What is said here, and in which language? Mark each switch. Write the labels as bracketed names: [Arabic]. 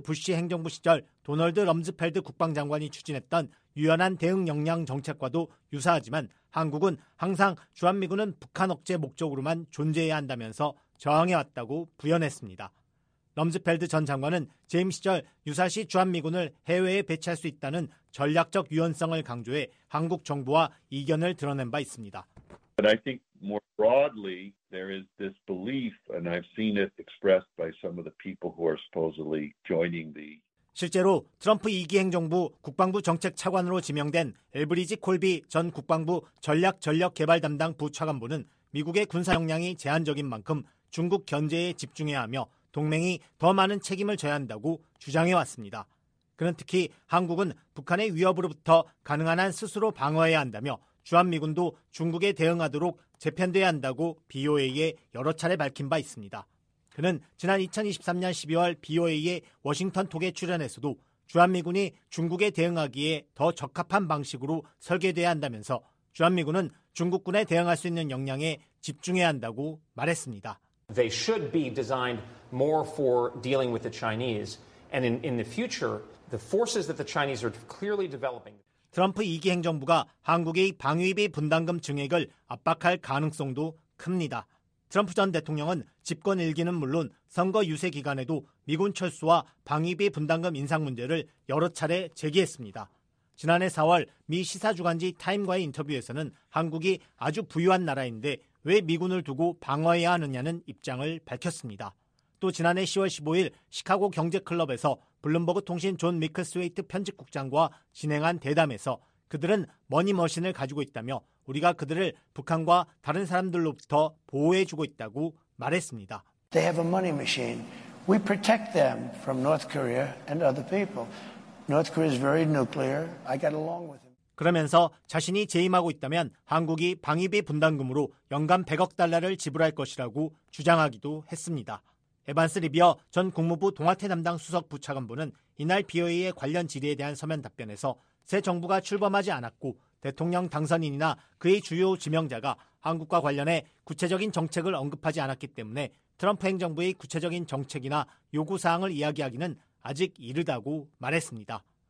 [Korean] 부시 행정부 시절 도널드 럼즈펠드 국방장관이 추진했던 유연한 대응 역량 정책과도 유사하지만 한국은 항상 주한미군은 북한 억제 목적으로만 존재해야 한다면서 저항해왔다고 부연했습니다. 럼즈펠드 전 장관은 재임 시절 유사시 주한미군을 해외에 배치할 수 있다는 전략적 유연성을 강조해 한국 정부와 이견을 드러낸 바 있습니다. [English] But I think more broadly there is this belief and I've seen it expressed by some of the people who are supposedly joining the [Korean] 실제로 트럼프 2기 행정부 국방부 정책 차관으로 지명된 엘브리지 콜비 전 국방부 전략 전력 개발 담당 부 차관보는 미국의 군사 역량이 제한적인 만큼 중국 견제에 집중해야 하며 동맹이 더 많은 책임을 져야 한다고 주장해왔습니다. 그는 특히 한국은 북한의 위협으로부터 가능한 한 스스로 방어해야 한다며 주한미군도 중국에 대응하도록 재편돼야 한다고 BOA에 여러 차례 밝힌 바 있습니다. 그는 지난 2023년 12월 BOA의 워싱턴 톡에 출연해서도 주한미군이 중국에 대응하기에 더 적합한 방식으로 설계돼야 한다면서 주한미군은 중국군에 대응할 수 있는 역량에 집중해야 한다고 말했습니다. [English] They should be designed more for dealing with the Chinese. And in the future, the forces that the Chinese are clearly developing. [Korean] 트럼프 2기 행정부가 한국의 방위비 분담금 증액을 압박할 가능성도 큽니다. 트럼프 전 대통령은 집권 1기는 물론 선거 유세 기간에도 미군 철수와 방위비 분담금 인상 문제를 여러 차례 제기했습니다. 지난해 4월 미 시사주간지 타임과의 인터뷰에서는 한국이 아주 부유한 나라인데 왜 미군을 두고 방어해야 하느냐는 입장을 밝혔습니다. 또 지난해 10월 15일 시카고 경제클럽에서 블룸버그 통신 존 미클스웨이트 편집국장과 진행한 대담에서 그들은 머니머신을 가지고 있다며 우리가 그들을 북한과 다른 사람들로부터 보호해주고 있다고 말했습니다. [English] They have a money machine. We protect them from North Korea and other people. North Korea is very nuclear. I got along with him. [Korean] 그러면서 자신이 재임하고 있다면 한국이 방위비 분담금으로 연간 100억 달러를 지불할 것이라고 주장하기도 했습니다. 에반스 리비어 전 국무부 동아태 담당 수석 부차관보는 이날 BOA의 관련 질의에 대한 서면 답변에서 새 정부가 출범하지 않았고 대통령 당선인이나 그의 주요 지명자가 한국과 관련해 구체적인 정책을 언급하지 않았기 때문에 트럼프 행정부의 구체적인 정책이나 요구사항을 이야기하기는 아직 이르다고 말했습니다.